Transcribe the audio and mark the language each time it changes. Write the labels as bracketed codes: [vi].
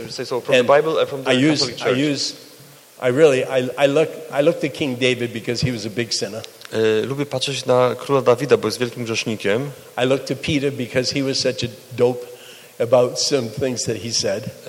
[en] Say so from and the Bible or from the Catholic Church? I looked at King David because he was a big sinner. [pl] Lubię patrzeć na króla Dawida, bo jest wielkim grzesznikiem. [en] I looked to Peter because he was such a dope about some things that he said.